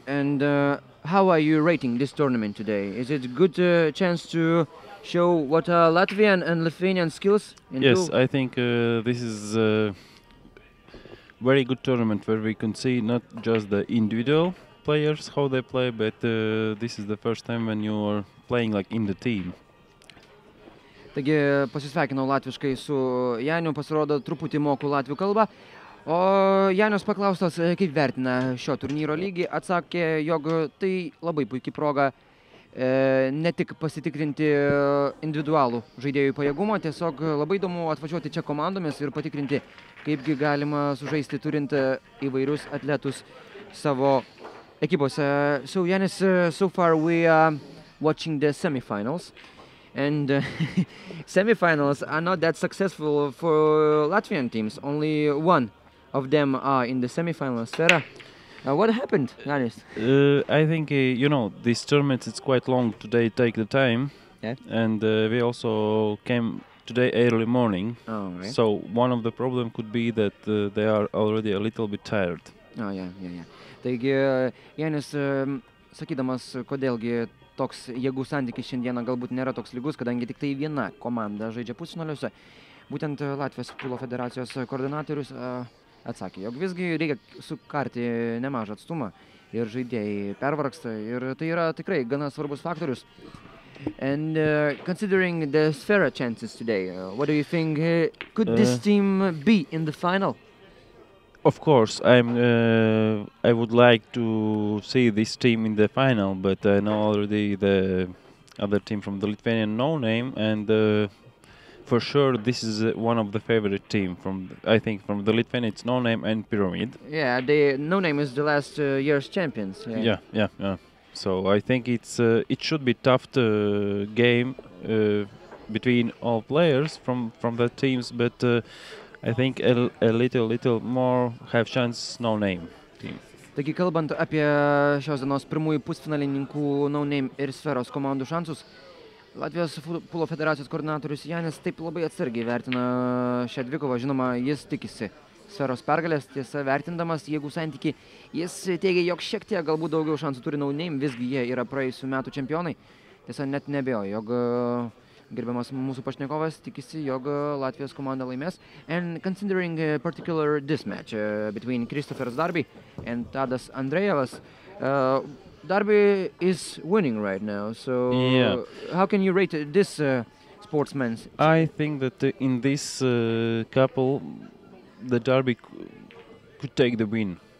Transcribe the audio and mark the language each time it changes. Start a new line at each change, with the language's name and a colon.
English: And how are you rating this tournament today? Is it a good chance to show what are Latvian and Lithuanian skills? Yes, I think this is a very good tournament where we can see not just the individual players, how they play, but this is the first time when you are playing like in the team.
Lithuanian: Taigi pasisveikinau latviškai su Janiu, pasirodo truputį moku latvių kalbą. O Janius paklaustas, kaip vertina šio turnyro lygį, atsakė, jog tai labai puiki proga ne tik pasitikrinti individualų žaidėjų pajėgumą, tiesiog labai įdomu atvažiuoti čia komandomis ir patikrinti, kaipgi galima sužaisti turint įvairius atletus savo ekipose.
English: So Janis, so far we are watching the semifinals. And semifinals are not that successful for Latvian teams. Only one of them are in the semifinals. Sera, what happened, Janis? I think, you know, this tournament is quite long. Today take the time. Yeah. And we also came today early morning. Oh, right. So one of the problem could be that they are already a little bit tired. Oh, yeah.
Lithuanian: Taigi, Janis, sakydamas, kodėlgi toks jėgų santykis šiandieną galbūt nėra toks lygus, kadangi tik tai viena komanda žaidžia pusfinaliuose. Būtent Latvijos pulo federacijos koordinatorius atsakė, jog visgi reikia sukarti nemažą atstumą ir žaidėjai pervargsta ir tai yra tikrai gana svarbus faktorius.
English: And considering the Sfera chances today, what do you think, could this team be in the final? Of course, I would like to see this team in the final, but I know already the other team from the Lithuanian no name, and for sure this is one of the favorite team from I think from the Lithuanian it's no name and Pyramid. Yeah, the no name is the last year's champions. Yeah. Yeah. So I think it's it should be tough to game between all players from the teams, but. I think a little more have chance no name team.
Lithuanian: Taigi kalbant apie šios dienos pirmųjų pusfinalininkų no name ir sferos komandų šansus, Latvijos pulo federacijos koordinatorius Janis taip labai atsargiai vertina šią dvikovą, žinoma, jis tikisi sferos pergalės, tiesa vertindamas, jeigu santykį, jis teigia, jog šiek tiek galbūt daugiau šansų turi no name, visgi jie yra praėjusių metų čempionai, tiesa net nebėjo, jog gerbiamas mūsų pašnekovas tikisi, jog Latvijos komanda laimės.
English: And considering particular this match between Kristofers Darby and Tadas Andrejevas, Darby is winning right now. So yeah. How can you rate this sportsman? I think that in this couple, the Darby could take the win.